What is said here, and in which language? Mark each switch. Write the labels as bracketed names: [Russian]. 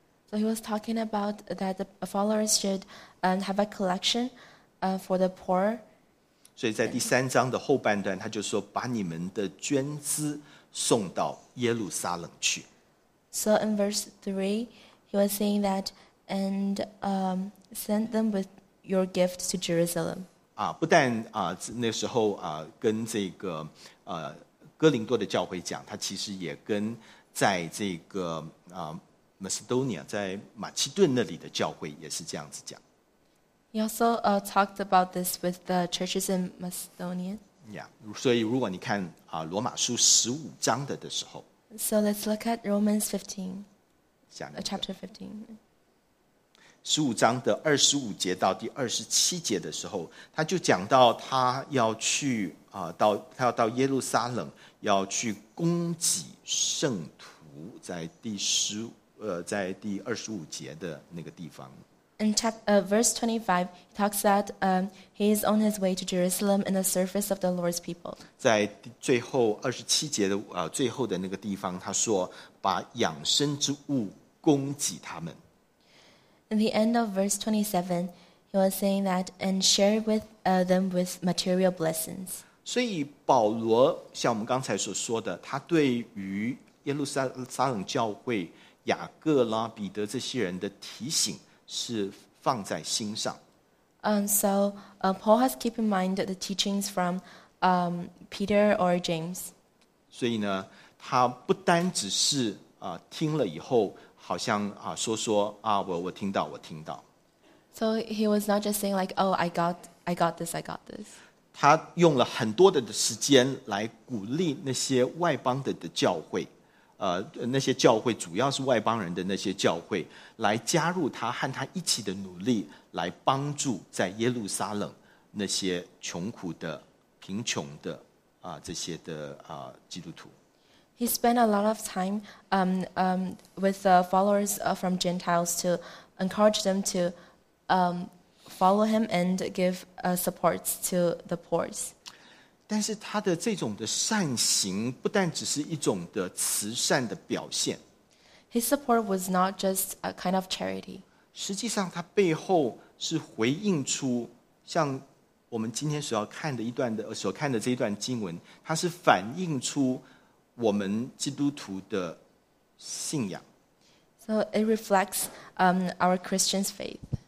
[English] So he was talking about that the followers should have a collection for the poor. [Chinese] 所以在第三章的后半段他就说把你们的捐资送到耶路撒冷去。 [English] So in verse 3, he was saying that, and send them with your gift to Jerusalem. [Chinese] 不但那时候跟这个哥林多的教会讲，他其实也跟在这个Macedonia 在马其顿那里的教会也是这样子讲。 [English] He also talked about this with the churches in Macedonia. [Chinese] Yeah, 所以如果你看罗马书十五章的时候。 [English] So let's look at Romans 15. [Chinese] 下面的。 [English] Chapter 15. [Chinese] 十五章的二十五节到第二十七节的时候，他就讲到他要去他要到耶路撒冷，要去攻击圣徒，在在第二十五节的那个地方。 [English] In verse 25, he talks that he is on his way to Jerusalem in the service of the Lord's people. [Chinese] 在最后二十七节的最后的那个地方，他说把养生之物供给他们。 [English] In the end of verse 27, he was saying that and share with them with material blessings. [Chinese] 所以保罗像我们刚才所说的，他对于耶路撒冷教会雅各拉彼得这些人的提醒。是放在心上。 [English] Paul has kept in mind the teachings from Peter or James. [Chinese] 所以呢，他不单只是听了以后，好像我听到。 [English] So he was not just saying like, oh, I got this. [Chinese] 他用了很多的时间来鼓励那些外邦的教会。那些教会主要是外邦人的那些教会来加入他和他一起的努力来帮助在耶路撒冷那些穷苦的贫穷的这些的基督徒。 [English] He spent a lot of time with the followers from Gentiles to encourage them to follow him and give support to the poor. [Chinese] 但是他的这种的善行不但只是一种的慈善的表现。 [English] His support was not just a kind of charity. [Chinese] 实际上他背后是回应出像我们今天所要看的一段的所看的这一段经文，它是反映出我们基督徒的信仰。 [English] So it reflects our Christian's faith.